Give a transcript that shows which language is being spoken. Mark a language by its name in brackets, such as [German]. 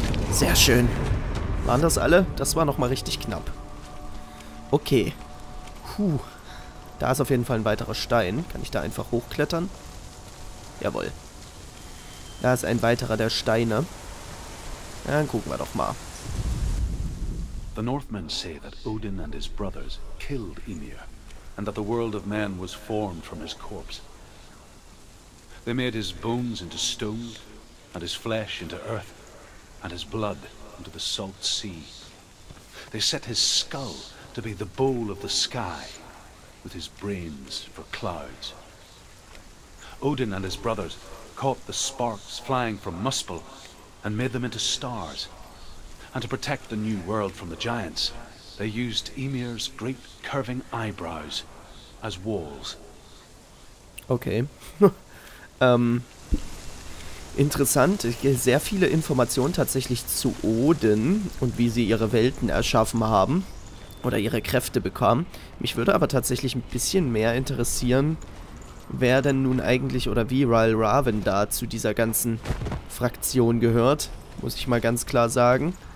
[German] Sehr schön. Waren das alle? Das war nochmal richtig knapp. Okay. Puh. Da ist auf jeden Fall ein weiterer Stein. Kann ich da einfach hochklettern? Jawohl. Da ist ein weiterer der Steine. Ja, dann gucken wir doch mal. [English] The Northmen say that Odin and his brothers killed Ymir, and that the world of men was formed from his corpse. They made his bones into stone, and his flesh into earth, and his blood into the salt sea. They set his skull to be the bowl of the sky, with his brains for clouds. Odin and his brothers caught the sparks flying from Muspel and made them into stars. And to protect the new world from the giants, they used Ymir's great curving eyebrows as walls. Okay. [German] Interessant. Sehr viele Informationen tatsächlich zu Odin und wie sie ihre Welten erschaffen haben oder ihre Kräfte bekommen. Mich würde aber tatsächlich ein bisschen mehr interessieren, wer denn nun eigentlich oder wie Ryl Raven da zu dieser ganzen Fraktion gehört, muss ich mal ganz klar sagen.